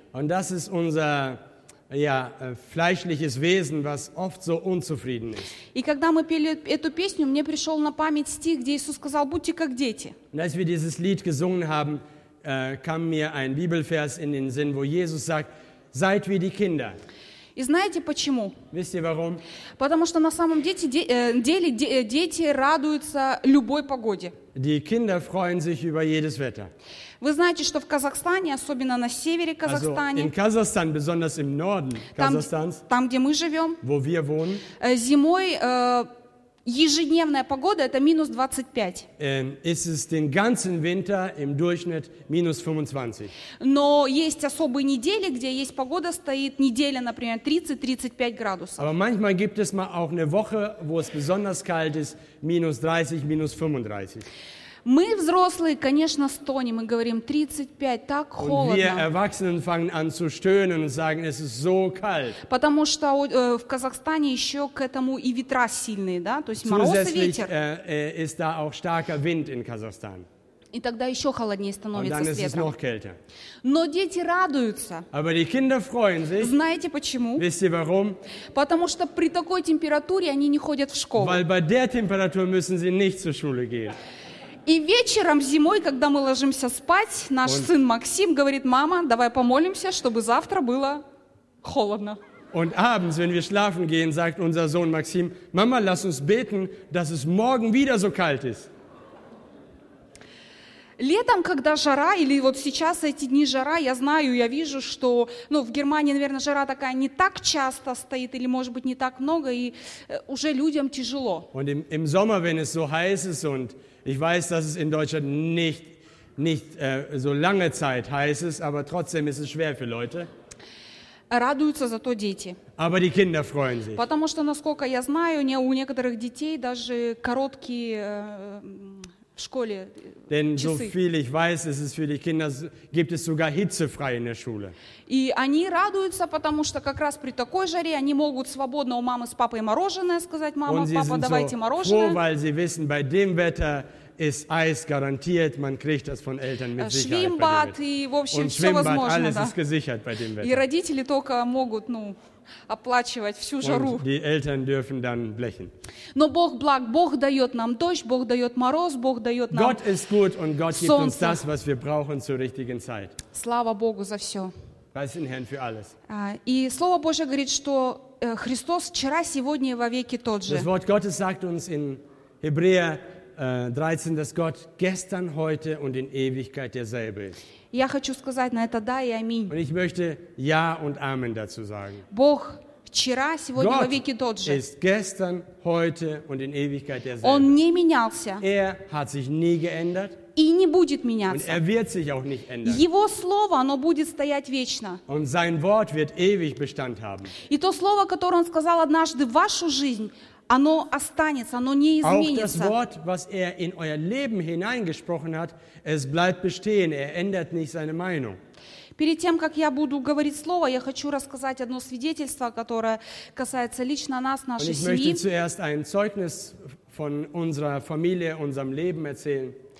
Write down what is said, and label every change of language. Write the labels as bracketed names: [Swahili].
[German] Und das ist unser fleischliches Wesen, was oft so unzufrieden ist. [Russian] И когда мы пели эту песню, мне пришел на память стих, где Иисус сказал: «Будьте как дети». [German] Und als wir dieses Lied gesungen haben, kam mir ein Bibelvers in den Sinn, wo Jesus sagt: «Seid wie die Kinder». [Russian] И знаете почему? [German] Wisst ihr warum? [Russian] Потому что на самом деле дети радуются любой погоде. [German] Die Kinder freuen sich über jedes Wetter. [Russian] Вы знаете, что в Казахстане, особенно на севере Казахстана, [German] also in Kazakhstan, besonders im Norden Kasachstans, [Russian] там, где мы живем, [German] wo wir wohnen, [Russian] зимой ежедневная погода это минус 25. [German] Ist es den ganzen Winter im Durchschnitt minus 25. [Russian] Но есть особые недели, где есть погода стоит, неделя, например, 30-35 градусов. [German] Aber manchmal gibt es mal auch eine Woche, wo es besonders kalt ist, minus 30, minus 35. [Russian] Мы, взрослые, конечно, стонем и говорим, 35, так холодно. [German] Und wir Erwachsenen fangen an zu stöhnen und sagen, es ist so kalt. [Russian] Потому что в Казахстане еще к этому и ветра сильные, да? То есть мороз и ветер. [German] Zusätzlich ist da auch starker Wind in Kasachstan. [Russian] И тогда еще холоднее становится с ветром. [German] Und dann ist es noch kälter. [Russian] Но дети радуются. [German] Aber die Kinder freuen sich. [Russian] Знаете почему? [German] Wisst ihr warum? [Russian] Потому что при такой температуре они не ходят в школу. [German] Weil bei der Temperatur müssen sie nicht zur Schule gehen. [Russian] И вечером, зимой, когда мы ложимся спать, наш und сын Максим говорит, мама, давай помолимся, чтобы завтра было холодно. [German] Und abends, wenn wir schlafen gehen, sagt unser Sohn Maxim, Mama, lass uns beten, dass es morgen wieder so kalt ist. [Russian] Летом, когда жара, или вот сейчас эти дни жара, я знаю, я вижу, что, ну, в Германии, наверное, жара такая не так часто стоит, или, может быть, не так много, и уже людям тяжело. [German] Und im Sommer, wenn es so heiß ist und ich weiß, dass es in Deutschland nicht so lange Zeit heiß ist, aber trotzdem ist es schwer für Leute. [Russian] Радуются зато дети. [German] Aber die Kinder freuen sich. [Russian] Потому что, насколько я знаю, у некоторых детей даже короткие в школе часы. [German] Denn so viel ich weiß, ist es für die Kinder, gibt es sogar hitzefrei in der Schule. [Russian] И они радуются, потому что как раз при такой жаре они могут свободно у мамы с папой мороженое сказать, мама, папа, давайте мороженое. [German] Und sie sind so froh, weil sie wissen, bei dem Wetter ist Eis garantiert, man kriegt das von Eltern mit Sicherheit. [Russian] Schwimmbad, и, в общем, [German] und Schwimmbad, [Russian] возможно, [German] alles [Russian] да. [German] ist gesichert bei dem Wetter. [Russian] И родители только могут, ну, оплачивать всю жару. [German] Und die Eltern dürfen dann blechen. [Russian] Но Бог благ, Бог дает нам дождь, Бог дает мороз, Бог дает нам [German] Gott ist gut und Gott gibt uns das, was wir brauchen zur richtigen Zeit. [Russian] Слава Богу за все. [German] Preis den Herrn für alles. [Russian] И Слово Божие говорит, что Христос вчера, сегодня и вовеки тот же. [German] Das Wort Gottes sagt uns in Hebräer 13, dass Gott gestern, heute und in Ewigkeit derselbe ist. [Russian] Я хочу сказать на это да и аминь. [German] Und ich möchte ja und amen dazu sagen. [Russian] Бог вчера, сегодня и вовеки тот же. [German] Gott ist gestern, heute und in Ewigkeit derselbe. [Russian] Он не менялся. [German] Er hat sich nie geändert. [Russian] И не будет меняться. [German] Und er wird sich auch nicht ändern. [Russian] Его слово, оно будет стоять вечно. [German] Und sein Wort wird ewig Bestand haben. [Russian] И то слово, которое он сказал однажды в вашу жизнь, оно останется, оно не изменится. [German] Auch das Wort, was er in euer Leben hineingesprochen hat, es bleibt bestehen, er ändert nicht seine Meinung. [Russian] Перед тем, как я буду говорить слово, я хочу рассказать одно свидетельство, которое касается лично нас, нашей семьи. [German] Und ich möchte zuerst ein Zeugnis von unserer Familie, unserem Leben erzählen.